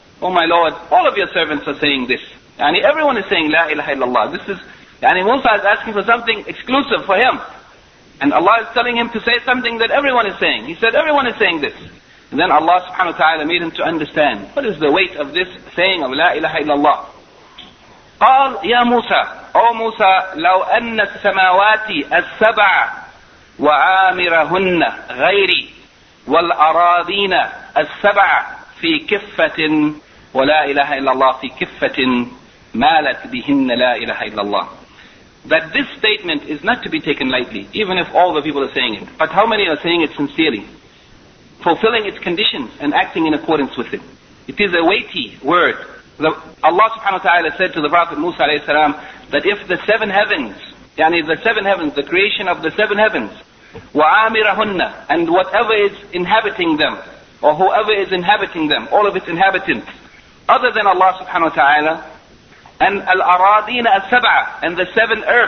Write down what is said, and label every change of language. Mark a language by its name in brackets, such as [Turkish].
[English] Oh my Lord, all of your servants are saying this. Yani everyone is saying La ilaha illallah. This is, yani Musa is asking for something exclusive for him. And Allah is telling him to say something that everyone is saying. He said, everyone is saying this. And then Allah subhanahu wa ta'ala made him to understand what is the weight of this saying of La ilaha illallah. [Arabic] قال يا موسى أو موسى لو أن السماوات السبع وعامرهن غيري والأراضين السبع في كفة ولا إله إلا الله في كفة مالت بهن لا إله إلا الله. [English] But this statement is not to be taken lightly, even if all the people are saying it. But how many are saying it sincerely, fulfilling its conditions and acting in accordance with it? It is a weighty word. Allah subhanahu wa ta'ala said to the Prophet Musa alayhi salam that if the seven heavens, yani the seven heavens, the creation of the seven heavens, wa'amirahunna, and whatever is inhabiting them, or whoever is inhabiting them, all of its inhabitants, other than Allah subhanahu wa ta'ala, and [Arabic] al-aradina al-sab'ah, [English] and the seven